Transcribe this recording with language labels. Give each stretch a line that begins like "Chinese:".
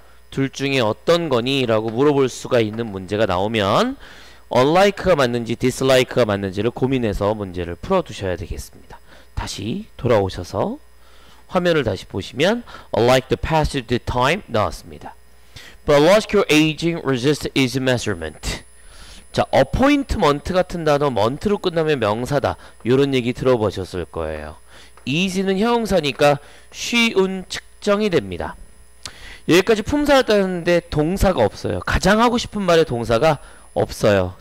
Korean: 둘 중에 어떤 거니? 라고 물어볼 수가 있는 문제가 나오면 unlike가 맞는지 dislike가 맞는지를 고민해서 문제를 풀어두셔야 되겠습니다. 다시 돌아오셔서 화면을 다시 보시면
English: unlike the passage of time
Korean: 나왔습니다.
English: Biological aging resists its measurement.
Korean: 자, appointment 같은 단어 month로 끝나면 명사다. 이런 얘기 들어보셨을 거예요. is는 형용사니까 쉬운 측정이 됩니다. 여기까지 품사를 따는데 동사가 없어요. 가장 하고 싶은 말에 동사가 없어요.